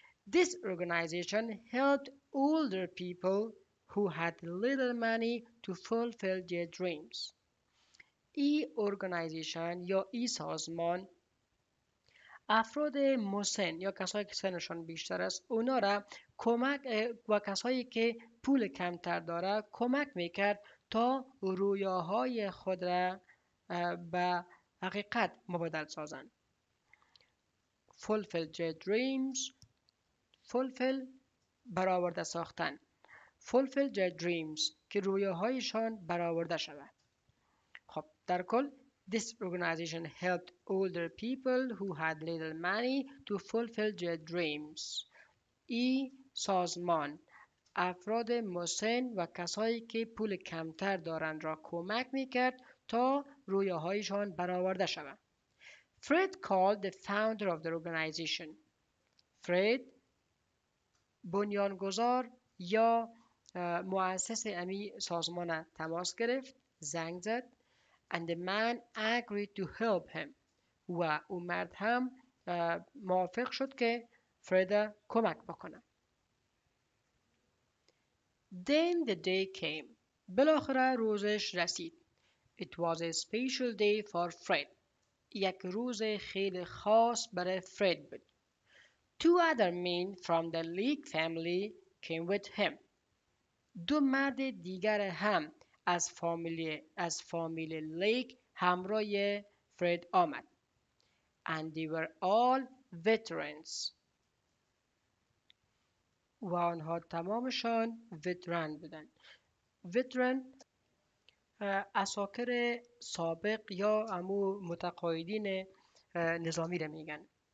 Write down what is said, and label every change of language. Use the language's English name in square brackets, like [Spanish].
[English] This organization helped older people who had little money to fulfill their dreams. [Persian] ای ارگانیزیشن یا ای سازمان افراد مسن یا کسایی که سنشان بیشتر است اونا را کمک و کسایی که پول کمتر داره کمک میکرد تا رویاهای خود را به حقیقت مبادل سازن. [English] Fulfill their dreams. Fulfill [Persian] برآورده ساختن. [English] Fulfill their dreams [Persian] که رویاهایشان برآورده شود. خب در کل [English] this organization helped older people who had little money to fulfill their dreams. [Persian] ای سازمان افراد مسن و کسایی که پول کمتر دارند را کمک میکرد تا رویاهایشان برآورده شود. [English] Fred called the founder of the organization. [Persian] Fred بنیانگذار یا مؤسس امی سازمان تماس گرفت، زنگ زد، [English] and the man agreed to help him. [Persian] و اون مرد هم موافق شد که فرید کمک بکنه. [English] Then the day came. [Persian] بالاخره روزش رسید. [English] It was a special day for Fred. [Persian] یک روز خیلی خاص برای فرید بود. [English] Two other men from the Leek family came with him. [Persian] دو مرد دیگر هم از فامیلی لیک همراه فرید آمد. [English] And they were all veterans. [Persian] و آنها تمامشان ویتران بودند. ویتران اساکر سابق یا امو متقاعدین نظامی را میگن.